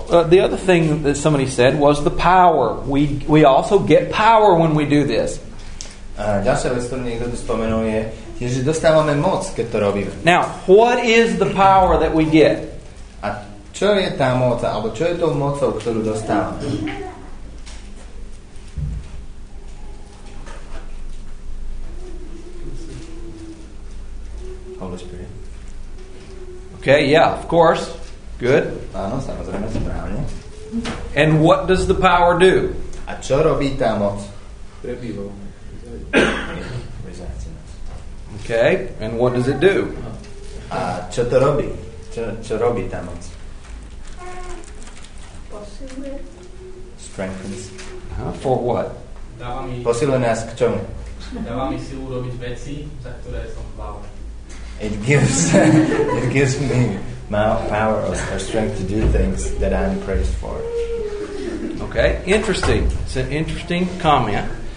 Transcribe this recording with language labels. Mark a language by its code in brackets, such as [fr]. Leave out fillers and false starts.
[en] The other thing that somebody said was the power. We also get power when we do this. [sk] Ďalšia vec, ktorú niekto tu spomenul, je, že dostávame moc, keď to robíme. [en] Now, what is the power that we get? [sk] A čo je tá moc, alebo čo je tou mocou, ktorú dostávame? [en] Holy Spirit. Okay, yeah, of course. Good. [sk] Áno, samozrejme, správne. [en] And what does the power do? [sk] A čo robí tá moc? Prebýva. [en] Okay, and what does it do? [sk] A čo to robí? Čo robí tá moc? Posiluje. [en] Strengthens. For what? [sk] Posiluje nás k čomu? Dáva mi silu robiť veci, za ktoré som slabý. [en] It gives me my power or strength to do things that I'm praised for. Okay, interesting. It's an interesting comment.